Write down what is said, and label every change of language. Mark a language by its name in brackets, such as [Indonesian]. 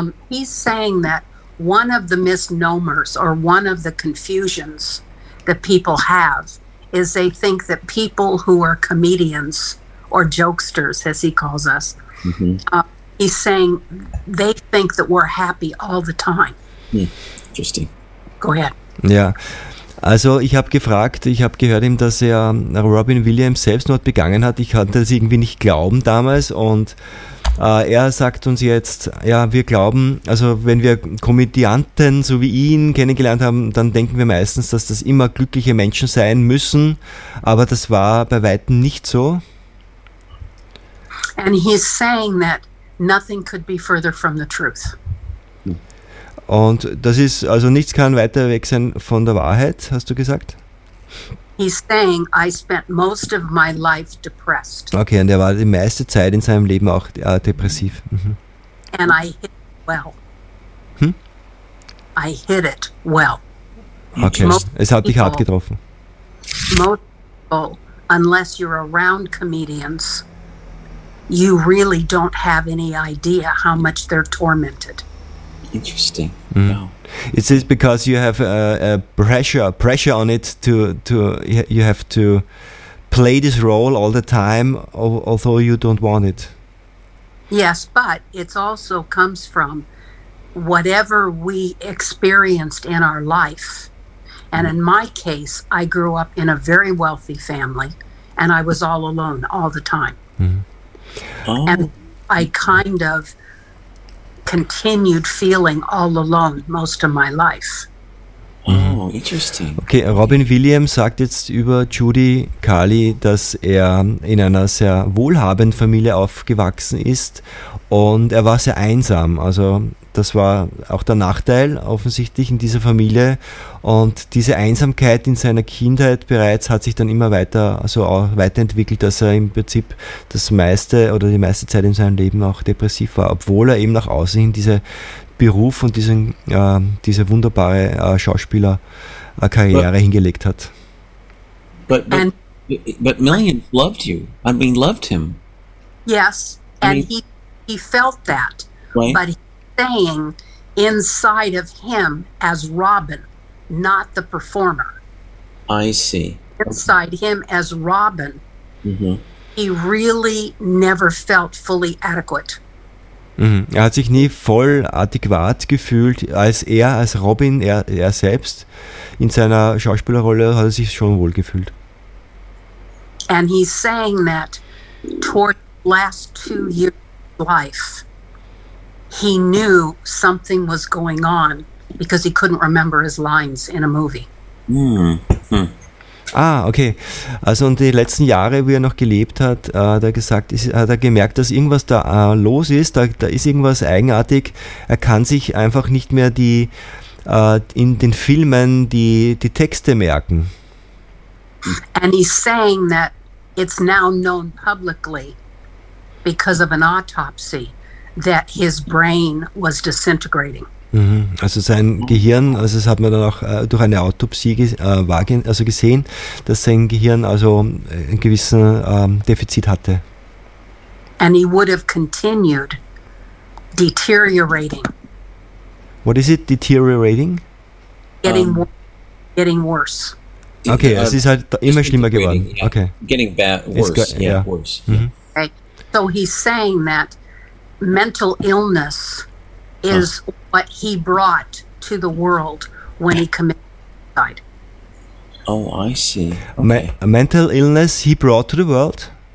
[English] He's saying that one of the misnomers, or one of the confusions that people have, is they think that people who are comedians or jokesters, as he calls us, he's saying they think that we're happy all the time. Interesting. Go ahead. [German] Ja, also ich habe gehört ihm, dass er Robin Williams Selbstmord begangen hat. Ich konnte das irgendwie nicht glauben damals, und er sagt uns jetzt, ja, wir glauben, also wenn wir Komödianten so wie ihn kennengelernt haben, dann denken wir meistens, dass das immer glückliche Menschen sein müssen, aber das war bei Weitem nicht so. [English] And he's saying that nothing could be further from the truth. [German] Und das ist, also nichts kann weiter weg sein von der Wahrheit, hast du gesagt? [English] He's saying, I spent most of my life depressed. [German] Okay, und er war die meiste Zeit in seinem Leben auch depressiv. [English] And I hid it well. I hid it well. [German] Okay, es hat dich hart getroffen. [English] Most people, unless you're around comedians, you really don't have any idea how much they're tormented. Interesting. Mm. Wow. Is this because you have a pressure on it you have to play this role all the time, although you don't want it? Yes, but it also comes from whatever we experienced in our life. And in my case, I grew up in a very wealthy family, and I was all alone all the time. Mm-hmm. Oh. And I kind of continued feeling all alone most of my life. Oh, interesting. [German] Okay, Robin Williams sagt jetzt über Judy Carli, dass er in einer sehr wohlhabenden Familie aufgewachsen ist und er war sehr einsam. Also das war auch der Nachteil offensichtlich in dieser Familie. Und diese Einsamkeit in seiner Kindheit bereits hat sich dann immer weiter also auch weiterentwickelt, dass er im Prinzip das meiste oder die meiste Zeit in seinem Leben auch depressiv war, obwohl er eben nach außen hin diese Beruf und diese wunderbare Schauspielerkarriere hingelegt hat. [English] But Million loved you. I mean, loved him. Yes, and he felt that. Right? But he's saying inside of him as Robin, not the performer. I see. Inside him as Robin, mm-hmm. he really never felt fully adequate. [German] Er hat sich nie voll adäquat gefühlt, als Robin, er selbst, in seiner Schauspielerrolle hat er sich schon wohl gefühlt. [English] And he's saying that toward the last 2 years of life, he knew something was going on because he couldn't remember his lines in a movie. Mm. Hm. Ah, okay. [German] Also in den letzten Jahren, wie er noch gelebt hat, hat er gemerkt, dass irgendwas da los ist, da ist irgendwas eigenartig. Er kann sich einfach nicht mehr in den Filmen die Texte merken. [English] And he's saying that it's now known publicly because of an autopsy that his brain was disintegrating. [German] Also sein Gehirn, also das hat man dann auch durch eine Autopsie gesehen, dass sein Gehirn also einen gewissen Defizit hatte. [English] And he would have continued deteriorating. What is it, deteriorating? Getting worse. [German] Okay, es ist halt immer schlimmer geworden. [English] Yeah. Okay. Getting bad, worse. Worse. Mm-hmm. Okay. So he's saying that mental illness is what he brought to the world when he committed suicide. Oh, I see. Okay. A mental illness he brought to the world?